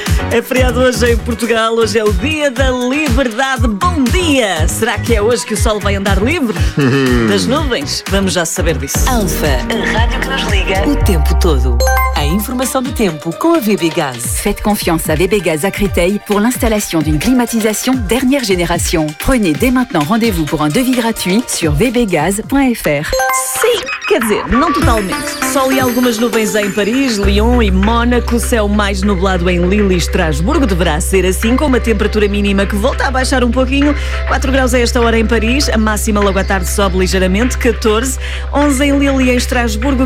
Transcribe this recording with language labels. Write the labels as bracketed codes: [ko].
[pt] É feriado hoje em Portugal, hoje é o Dia da Liberdade. Bom dia! Será que é hoje que o sol vai andar livre? Das nuvens? Vamos já saber disso. Alfa, a rádio que nos liga o tempo todo. A informação do tempo com a VB Gaz. [fr] Faites confiance à VB Gaz à Créteil pour l'installation d'une climatisation dernière génération. Prenez dès maintenant rendez-vous pour un devis gratuit sur vbgaz.fr. See? [pt] Quer dizer, não totalmente. Sol e algumas nuvens em Paris, Lyon e Mónaco. Céu mais nublado em Lille e Estrasburgo. Deverá ser assim, com uma temperatura mínima que volta a baixar um pouquinho. 4 graus a esta hora em Paris. A máxima logo à tarde sobe ligeiramente. 14. 11 em Lille e em Estrasburgo.